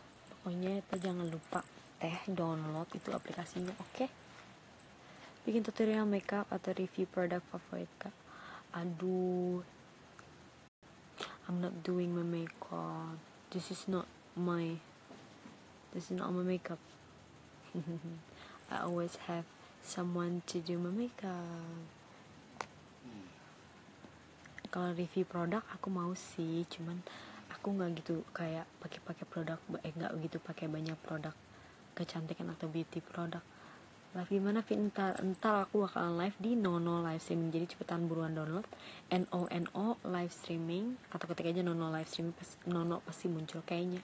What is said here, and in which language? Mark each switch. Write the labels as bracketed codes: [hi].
[id] Pokoknya itu jangan lupa teh download itu aplikasinya, oke? Bikin tutorial makeup atau review produk favorit kak. [en] Aduh, I'm not doing my makeup. This is not my makeup. I always have someone to do my makeup. [id] Kalau review produk aku mau sih, cuman aku nggak gitu kayak pakai produk, nggak gitu pakai banyak produk kecantikan atau beauty produk. Live gimana Vin? Ntar aku bakalan live di Nono live streaming, jadi cepetan buruan download Nono live streaming, atau ketik aja Nono live streaming, Nono pasti muncul kayaknya.